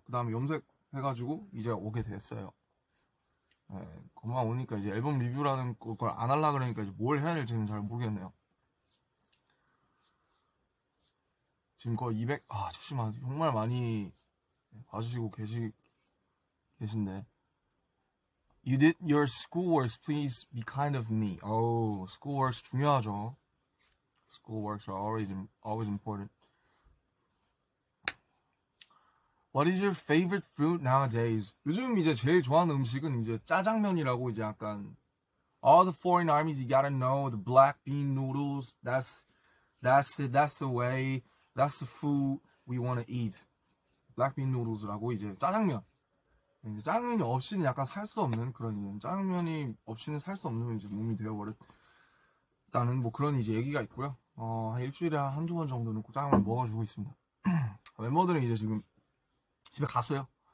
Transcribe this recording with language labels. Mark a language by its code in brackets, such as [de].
[ko] 그 다음에 염색 해가지고 이제 오게 됐어요. 네, 금방 오니까 이제 앨범 리뷰라는 걸 안 하려고 그러니까 이제 뭘 해야 될지는 잘 모르겠네요. 지금 거의 200 잠시만 정말 많이 봐주시고 계신데 [en] You did your schoolwork, please be kind of me. Oh, schoolwork [ko] 중요하죠. [en] Schoolwork are always important. What is your favorite food nowadays? [ko] 요즘 이제 제일 좋아하는 음식은 이제 짜장면이라고 이제 약간 [en] All the foreign armies you gotta know the black bean noodles. That's it. That's the way. That's the food we wanna eat. Black bean noodles [ko] 라고 이제 짜장면. 이제 짜장면이 없이는 약간 살 수 없는 그런 이제 짜장면이 없이는 살 수 없는 이제 몸이 되어버렸다는 뭐 그런 이제 얘기가 있고요. 한 일주일에 한두 번 정도는 짜장면 먹어주고 있습니다. 멤버들은 이제 지금 집에 갔어요.